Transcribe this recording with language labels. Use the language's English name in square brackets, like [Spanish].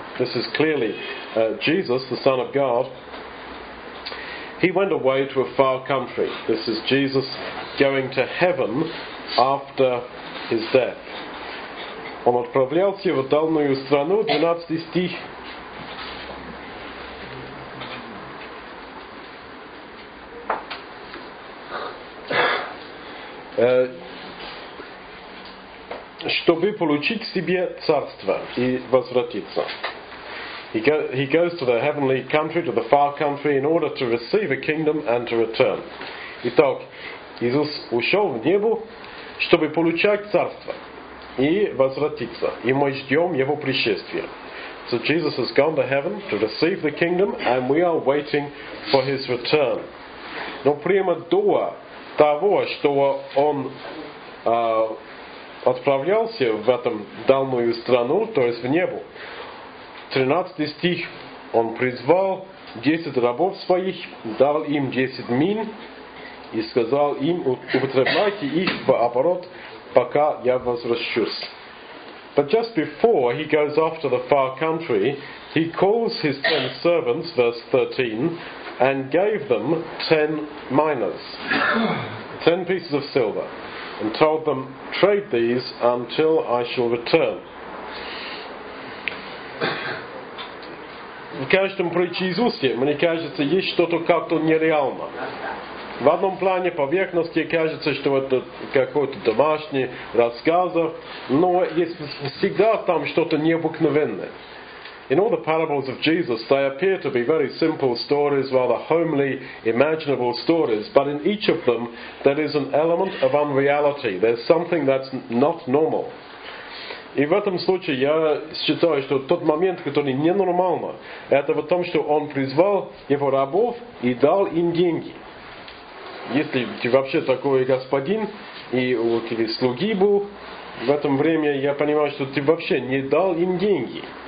[English] This is clearly Jesus, the Son of God. He went away to a far country. This is Jesus going to heaven after his death. [Russian] Он отправлялся в дальнюю страну, 12 стих. Чтобы получить себе царство и возвратиться. [English] He goes to the heavenly country, to the far country, in order to receive a kingdom and to return. [Russian] Итак, Иисус ушел в небо, чтобы получать царство и возвратиться. И мы ждем его пришествия. [English] So Jesus has gone to heaven to receive the kingdom, and we are waiting for his return. [Russian] Но прямо до того, что он отправлялся в эту дальнюю страну, то есть в небо, 13 стих, он призвал 10 рабов своих, дал им 10 мин и сказал им, употребляйте их в оборот, пока я возвращусь. [English] But just before he goes off to the far country, he calls his 10 servants, verse 13, and gave them 10 minas, 10 pieces of silver, and told them, trade these until I shall return. [Russian] В каждом причисте, мне кажется, есть что-то как-то нереально. В одном плане поверхности кажется, что это какой-то домашний рассказ, но есть всегда там что-то необыкновенное. [English] In all the parables of Jesus, they appear to be very simple stories, rather homely, imaginable stories. But in each of them, there is an element of unreality. There's something that's not normal. [Russian] И в этом случае я считаю, что тот момент, который ненормально, это в том, что он призвал его рабов и дал им деньги. Если ты вообще такой господин, и у тебя слуги был, в этом время я понимаю, что ты вообще не дал им деньги.